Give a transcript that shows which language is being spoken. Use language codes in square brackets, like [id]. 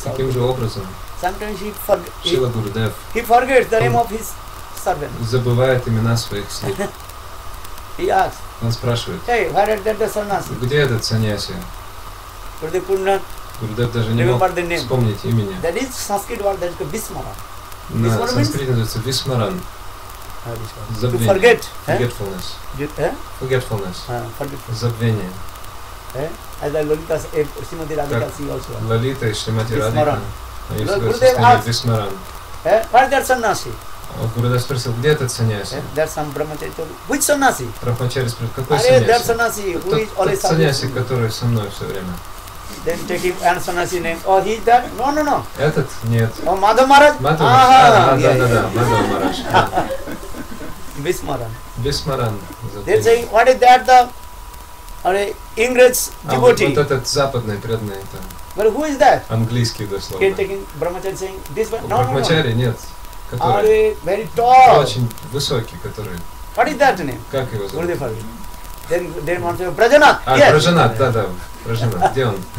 [ru] Таким же образом. [en] Sometimes he forgets. [ru] Шрила Гурудев. [en] He forgets the name of his servant. [ru] Забывает имена своих слуг. [en] He asks. [ru] Он спрашивает, [en] hey, where is that the sannyasi? [ru] Где этот саньяси? Гурудев даже не мог вспомнить имени. [en] That is Sanskrit word, that is called Vismaran. [ru] На санскрите называется Vismaran. Забвение. [en] To forget. Forgetfulness. Forgetfulness. [ru] Забвение. [en] As the Lalita Srimati Radhika see also. [ru] Лалита и Шримати Радхика. Гурудев говорит, Vismaran. [en] Where is that sannyasi? [ru] Гурудев спросил, где этот саньяси? [en] There's some Brahmachari. Which саньяси? [ru] Брахмачари спросил, какой саньяси? Саньяси, который со мной все время. [en] Then take him and sannyasi name. Oh, he's that? No, no, no. [ru] Этот? Нет. [en] Oh, Madhav Maharaj? [ru] Madhav Maharaj. Да. Madhav Maharaj. [sa] Vismaran. Vismaran. [en] They're saying, what is that, the English devotee? [ru] Вот этот западный преданный там. [en] But who is that? [ru] Английский дословно. [en] Can take him, Brahmachari saying, this one? No, no, no. [ru] Brahmachari, нет. [en] Are very tall. [ru] Очень высокий, который. [en] What is that name? [ru] Как его зовут? [en] Гурдев Фарвин. Then want to say, Брахманат. А, yes. [ru] Брахманат, да. Брахманат, где он?